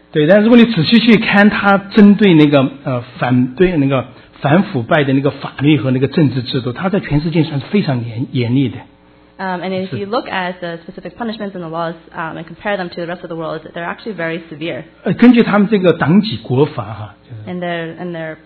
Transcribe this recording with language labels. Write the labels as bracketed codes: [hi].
[zh] 对，但如果你仔细去看他针对那个反腐败的那个法律和那个政治制度，他在全世界算是非常严厉的。 [en] And if you look at the specific punishments in the laws and compare them to the rest of the world, they're actually very severe. [zh] 根据他们这个党纪国法哈，就是。 [en] And their